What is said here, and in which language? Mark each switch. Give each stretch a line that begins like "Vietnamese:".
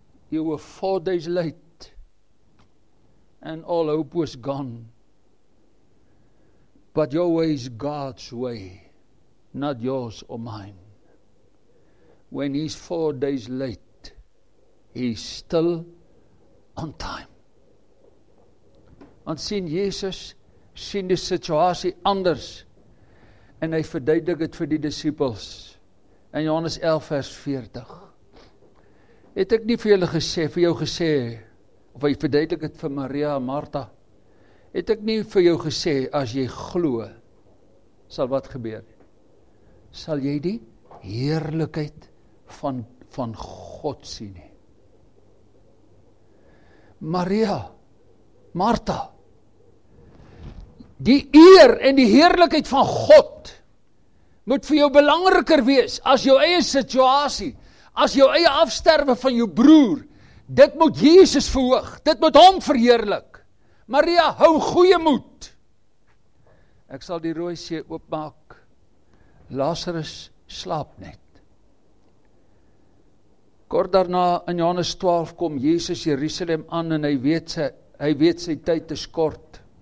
English: You were 4 days late and all hope was gone. But your way is God's way, not yours or mine. When he's 4 days late, he's still on time.
Afrikaans: Want sien Jesus, sien die situasie anders, en hy verduidelik het vir die disciples, in Johannes 11 vers 40, het ek nie vir julle gesê, vir jou gesê, of hy verduidelik het vir Maria en Martha, het ek nie vir jou gesê, as jy glo, sal wat gebeur, sal jy die heerlikheid van God sien. Maria, Martha, die eer en die heerlikheid van God moet vir jou belangriker wees as jou eie situasie, as jou eie afsterwe van jou broer. Dit moet Jesus verhoog, dit moet hom verheerlik. Maria, hou goeie moed. Ek sal die rooi see oopmaak. Lazarus slaap net. Kort daarna in Johannes 12 kom Jesus Jerusalem aan en hy weet sy tyd is kort.